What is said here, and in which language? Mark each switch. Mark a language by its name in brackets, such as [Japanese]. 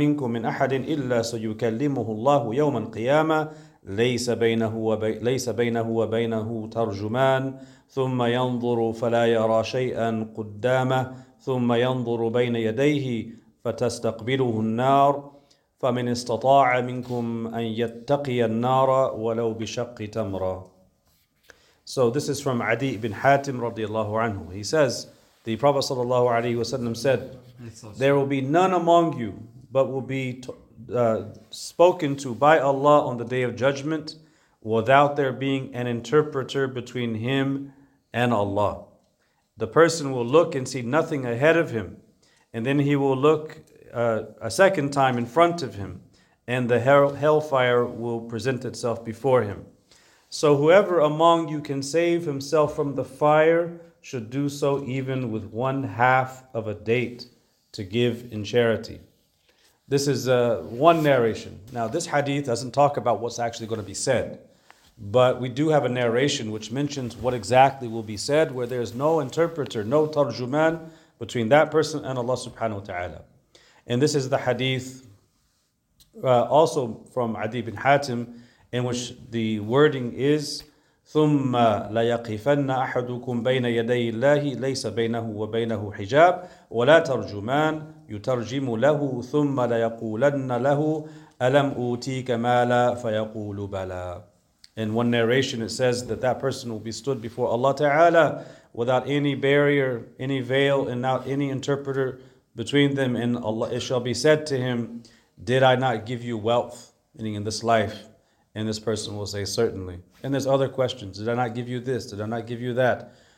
[Arabic] من أحد إلا سيكلمه الله يوم القيامة ليس بينه وبينه ترجمان ثم ينظر فلا يرى شيئا قدامه ثم ينظر بين يديه فتستقبله النار فمن استطاع منكم أن يتقي النار ولو بشق تمرة. [English] So this is from Adi ibn Hatim radiallahu anhu. He says, the Prophet sallallahu alaihi wasallam said, there will be none among you but will be spoken to by Allah on the Day of Judgment without there being an interpreter between him and Allah. The person will look and see nothing ahead of him, and then he will look a second time in front of him, and the hellfire will present itself before him. So whoever among you can save himself from the fire should do so even with one half of a date to give in charity. This is one narration. Now this hadith doesn't talk about what's actually going to be said, but we do have a narration which mentions what exactly will be said, where there is no interpreter, no tarjuman between that person and Allah subhanahu wa ta'ala. And this is the hadith also from Adi bin Hatim, in which the wording is, [Arabic] ثُمَّ لَيَقِفَنَّ أَحَدُكُمْ بَيْنَ يَدَيِ اللَّهِ لَيْسَ بَيْنَهُ وَبَيْنَهُ حِجَابٌ وَلَا تَرْجُمَانَ يُتَرْجِمُ لَهُ ثُمَّ لَيَقُولَنَّ لَهُ أَلَمْ أُوتِيكَ مَالَ فَيَقُولُ بَلَى. [English] In one narration it says that that person will be stood before Allah Ta'ala without any barrier, any veil, and not any interpreter between them, and Allah, it shall be said to him, did I not give you wealth, meaning in this life? And this person will say, certainly. And there's other questions. Did I not give you this? Did I not give you that?